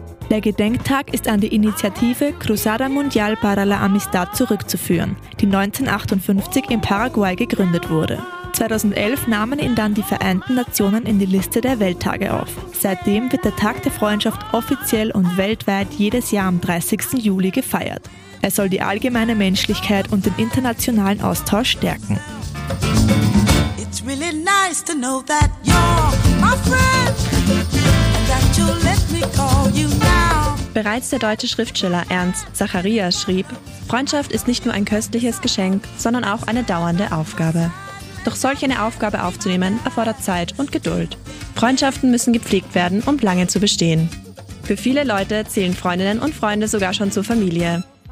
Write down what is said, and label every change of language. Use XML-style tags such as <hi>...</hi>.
<de>Der Gedenktag ist an die Initiative Cruzada Mundial para la Amistad zurückzuführen, die 1958 in Paraguay gegründet wurde. 2011 nahmen ihn dann die Vereinten Nationen in die Liste der Welttage auf. Seitdem wird der Tag der Freundschaft offiziell und weltweit jedes Jahr am 30. Juli gefeiert. Er soll die allgemeine Menschlichkeit und den internationalen Austausch stärken.</de> <en>It's really nice to know that you're my friend and that you'll let me call you now.</en> <de>Bereits der deutsche Schriftsteller Ernst Zacharias schrieb, Freundschaft ist nicht nur ein köstliches Geschenk, sondern auch eine dauernde Aufgabe. Doch solch eine Aufgabe aufzunehmen, erfordert Zeit und Geduld. Freundschaften müssen gepflegt werden, um lange zu bestehen. Für viele Leute zählen Freundinnen und Freunde sogar schon zur Familie.</de>